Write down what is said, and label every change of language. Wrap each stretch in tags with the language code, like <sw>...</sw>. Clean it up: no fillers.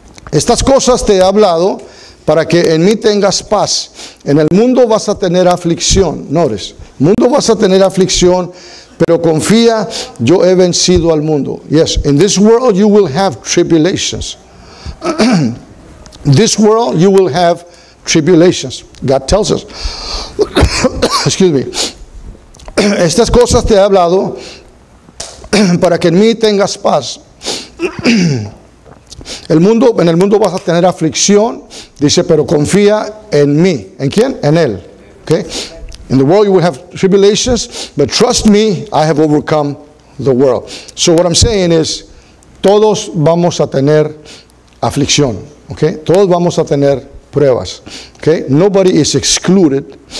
<es>Estas cosas te he hablado para que en mí tengas paz. En el mundo vas a tener aflicción. Nores. Mundo vas a tener aflicción, pero confía, yo he vencido al mundo.</es> <en>Yes, in this world you will have tribulations. This world you will have tribulations. God tells us. Excuse me.</en> <es>Estas cosas te he hablado para que en mí tengas paz. En el mundo vas a tener aflicción, dice, pero confía en mí. ¿En quién? En Él.</es> <en>Okay. In the world you will have tribulations, but trust me, I have overcome the world. So what I'm saying is,</en> <es>todos vamos a tener aflicción.</es> <en>Okay.</en> <es>Todos vamos a tener pruebas. Okay.</es> <en>Nobody is excluded.</en>